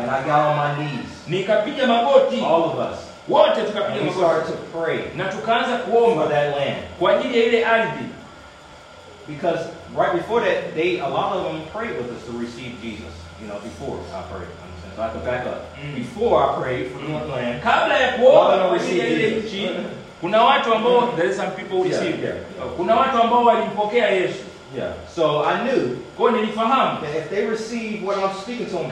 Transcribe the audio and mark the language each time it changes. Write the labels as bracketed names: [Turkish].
[English] And I got on my knees. [Swahili] Nikapiga magoti. [English] All of us. [Swahili] Wote tukapiga magoti. [English] We started to pray. [Swahili] Na tukaanza kuomba [English] that land. [Swahili] Kwa ajili ya ile ardhi. [English] Because right before that, a lot of them prayed with us to receive Jesus. You know, before I prayed. So I have to back up. Before I prayed for the land. [Swahili] Kabla ya kuomba kwa ajili ya ile nchi. Kuna watu ambao, [English] there is some people who received there. [Swahili] Kuna watu ambao walipokea Yesu. [English] Yeah. So I knew. [Swahili] Kwa nilifahamu. [English] That if they receive what I'm speaking to them.